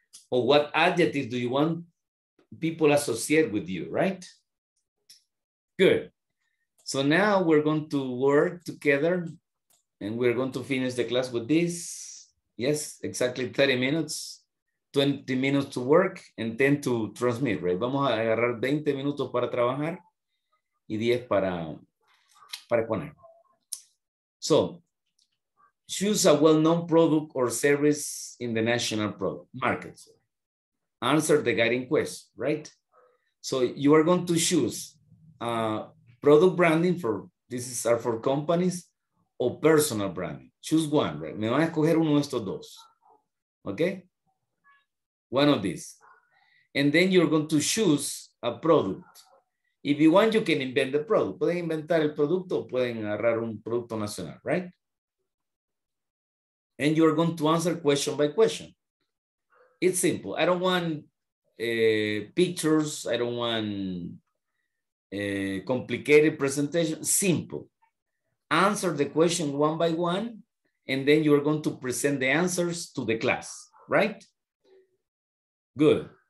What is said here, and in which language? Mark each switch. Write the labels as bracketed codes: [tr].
[en] Or what adjective do you want people associate with you, right? Good. So now we're going to work together and we're going to finish the class with this. Yes, exactly 30 minutes, 20 minutes to work and 10 to transmit, right? [es] Vamos a agarrar 20 minutos para trabajar y 10 para poner. [en] So choose a well-known product or service in the national product market. Answer the guiding question, right? So you are going to choose product branding for, this is are for companies, or personal branding. Choose one, right? [es] Me van a escoger uno de estos dos, [en] okay? One of these. And then you're going to choose a product. If you want, you can invent the product. [es] Pueden inventar el producto o pueden agarrar un producto nacional, right? [en] And you're going to answer question by question. It's simple. I don't want pictures. I don't want complicated presentation. Simple. Answer the question one by one, and then you're going to present the answers to the class, right? Good.